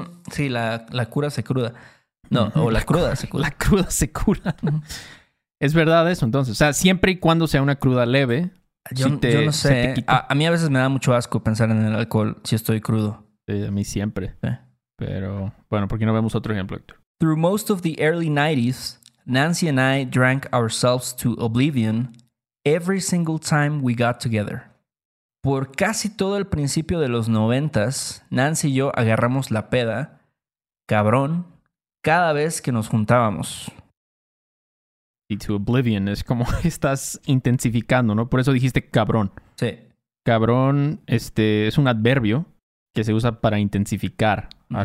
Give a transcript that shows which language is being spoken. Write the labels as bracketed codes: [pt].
[es] Sí, la cura se cruda. No, o la cruda se cura. La cruda se cura. Es verdad eso, entonces. O sea, siempre y cuando sea una cruda leve... Yo no sé. A mí a veces me da mucho asco pensar en el alcohol si estoy crudo. Sí, a mí siempre. Pero, bueno, ¿por qué no vemos otro ejemplo, Héctor? [en] Through most of the early 90s, Nancy and I drank ourselves to oblivion every single time we got together. [es] Por casi todo el principio de los 90s, Nancy y yo agarramos la peda, cabrón, cada vez que nos juntábamos. Y to oblivion es como estás intensificando, ¿no? Por eso dijiste cabrón. Sí. Cabrón es un adverbio que se usa para intensificar, ¿no?